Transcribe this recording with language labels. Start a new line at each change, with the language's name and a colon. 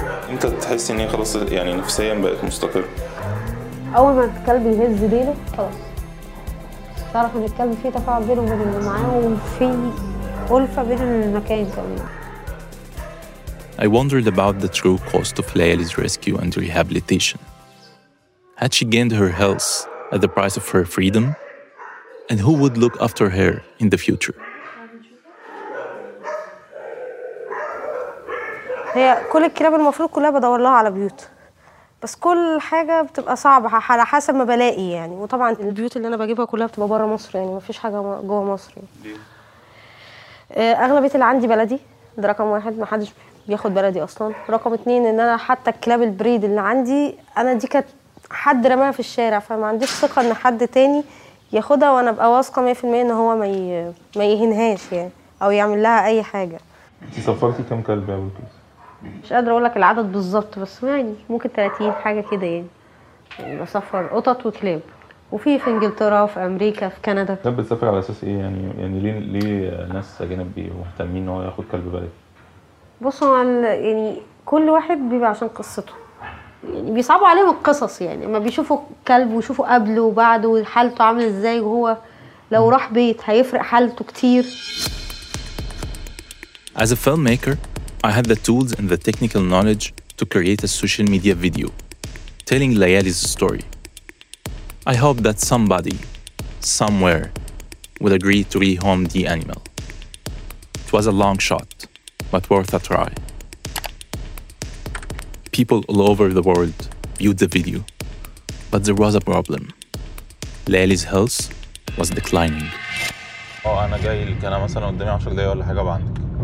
Arabic: انت تحس ان هي خلاص يعني نفسيا بقت مستقرة؟ أول ما الكلب يهز ديله خلاص. تعرف إن الكلب فيه تفاعل بينه وبين اللي معاه وفيه ألفة بين المكان كمان.
English: I wondered about the true cost of Layaly's rescue and rehabilitation. Had she gained her health at the price of her freedom? And who would look after her in the future?
Arabic: هي كل الكلاب المفروض كلها بدور لها على بيوت. بس كل حاجة بتبقى صعبة على حسب ما بلاقي يعني. وطبعا البيوت اللي أنا بجيبها كلها بتبقى برا مصر يعني. ما فيش حاجة جوا مصر يعني. أغلبية اللي عندي بلدي. ده رقم واحد. ما حدش بياخد بلدي اصلا. رقم اتنين ان انا حتى الكلاب البريد اللي عندي انا دي كانت حد رماها في الشارع، فما عنديش ثقه ان حد تاني ياخدها وانا ابقى واثقه 100% ان هو ما يهنهاش يعني او يعمل لها اي حاجه. انت سفرتي كم كلب يا بنتي؟ مش قادره اقول لك العدد بالظبط، بس يعني ممكن 30 حاجه كده يعني. بسفر قطط وكلاب، وفي في انجلترا وفي امريكا في كندا. طب بتسافر على اساس ايه يعني؟ يعني ليه ناس اجانب مهتمين ان هو ياخد كلب بلدي؟ بصوا يعني كل واحد بيبقى عشان قصته يعني، بيصعبوا عليهم القصص يعني. اما بيشوفوا كلب ويشوفوا قبله وبعده وحالته عامل ازاي، وهو لو راح بيت هيفرق حالته كتير.
English: As a filmmaker, I had the tools and the technical knowledge to create a social media video telling Layaly's story. I hope that somebody, somewhere, would agree to rehome the animal. It was a long shot, but worth a try. People all over the world viewed the video, but there was a problem. Layaly's health was declining.
Arabic: Oh, أنا جاي لك. أنا مثلاً قدامي 10 دقايق ولا حاجة بعندك.